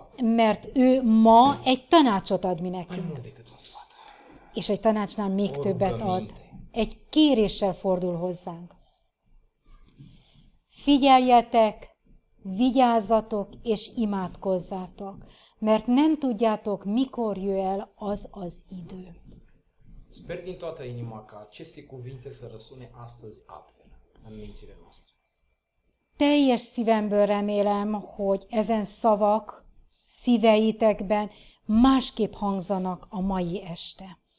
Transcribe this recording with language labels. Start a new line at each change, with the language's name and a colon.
Hungarian: Mert ő ma egy tanácsot ad mi nekünk. És egy tanácsnál még többet ad. Egy kéréssel fordul hozzánk. Figyeljetek, vigyázzatok és imádkozzátok, mert nem tudjátok, mikor jön el az az idő.
Romanian: Sper din toată inima ca aceste cuvinte să răsune astăzi altfel în mințile noastre.
Hungarian: Teljes szívemből remélem, hogy ezen szavak szíveitekben másképp hangzanak a mai este.